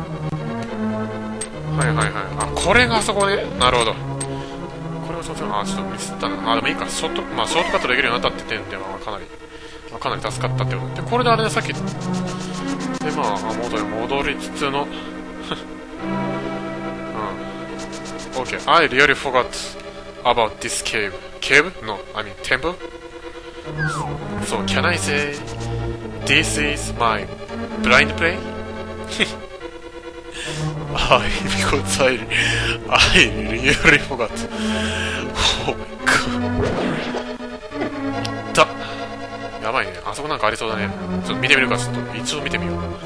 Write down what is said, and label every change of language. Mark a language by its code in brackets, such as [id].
[ja] はいはいはい。あ、これがあそこね。なるほど。これもそっちの、あ、ちょっとミスったな。あ、でもいいか。ショート、まあ、ショートカットできるようになったって点では、かなり助かったってことで。これであれね、さっき。で、まあ、元に戻りつつの。うん。OK。 [en] I really forgot about this cave. Cave? No, I mean, temple? So, can I say, this is my blind play? because I really forgot. Oh my god. [ja] やばいね。あそこなんかありそうだね。ちょっと見てみるか、ちょっと。一応見てみよう。